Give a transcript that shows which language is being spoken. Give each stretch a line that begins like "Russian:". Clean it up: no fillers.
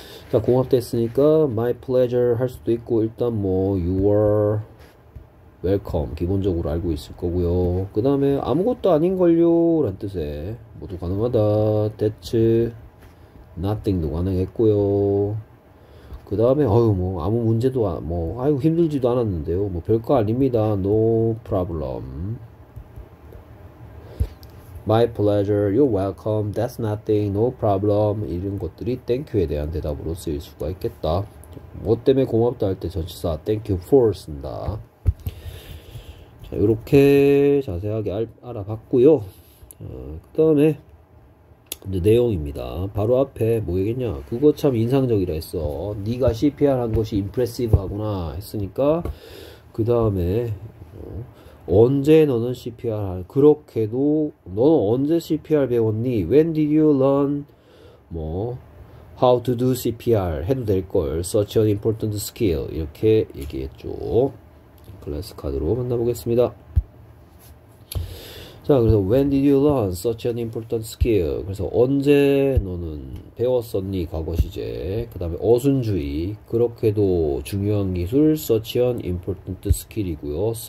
Korean: 자, 고맙댔으니까
English: my pleasure
Korean: 할 수도 있고 일단 뭐
English: you are welcome
Korean: 기본적으로 알고 있을 거고요. 그 다음에 아무것도 아닌 걸요 란 뜻에 모두 가능하다.
English: That's nothing
Korean: 도 가능했고요. 그 다음에 어휴 뭐 아무 문제도 뭐 아이고 힘들지도 않았는데요. 뭐 별거 아닙니다.
English: No problem. My pleasure, you're welcome, that's nothing, no problem.
Korean: 이런 것들이
English: thank you
Korean: 에 대한 대답으로 쓰일 수가 있겠다. 뭐 때문에 고맙다 할때 전치사
English: thank you for
Korean: 쓴다. 자, 이렇게 자세하게 알아봤고요. 그 다음에 내용입니다. 바로 앞에 뭐 얘기했냐? 그거 참 인상적이라 했어. 네가 CPR한 것이 임프레시브하구나 했으니까 그 다음에 언제 너는 CPR 그렇게도 너는 언제 CPR 배웠니?
English: When did you learn 뭐 how to do CPR
Korean: 해도 될 걸.
English: Such an important skill
Korean: 이렇게 얘기했죠. 클래스 카드로 만나보겠습니다. 자, 그래서
English: when did you learn such an important skill?
Korean: 그래서 언제 너는 배웠었니? 과거 시제. 그 다음에 어순주의. 그렇게도 중요한 기술
English: such an important skill
Korean: 이고요.